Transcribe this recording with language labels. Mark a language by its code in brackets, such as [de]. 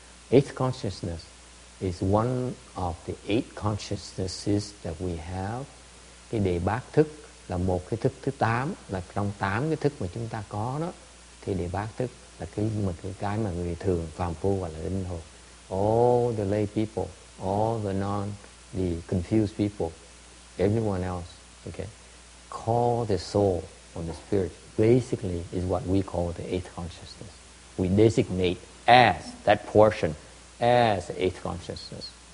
[en] Eighth consciousness is one of the eight consciousnesses that we have. [vi] Cái đề bát thức là một cái thức thứ tám, là trong tám cái thức mà chúng ta có đó. Thì đề bát thức là cái mà cái mà người thường phàm phu gọi là linh hồn. [en] all the lay people, all the non, the confused people, everyone else, okay, call the soul or the spirit, basically is what we call the eighth consciousness. We designate as that portion as eighth consciousness.